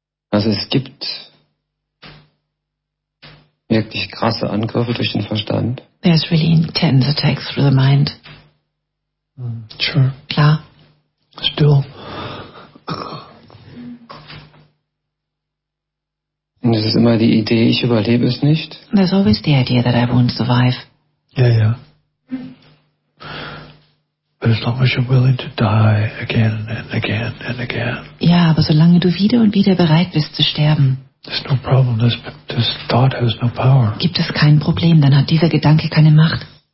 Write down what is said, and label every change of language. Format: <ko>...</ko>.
<de>Also es gibt wirklich krasse Angriffe durch den Verstand.</de> <en>There's really intense attacks through the mind. Sure.</en> <de>Klar.</de> <en>Still.</en> <de>Und es ist immer die Idee, ich überlebe es nicht.</de> <en>There's always the idea that I won't survive.</en> <de>Ja, ja.</de> <en>But as long as you're willing to die again and again and again.</en> <de>Ja, aber solange du wieder und wieder bereit bist zu sterben.</de> <en>There's no problem. This thought has no power.</en> <de>Gibt es kein Problem, dann hat dieser Gedanke keine Macht.</de>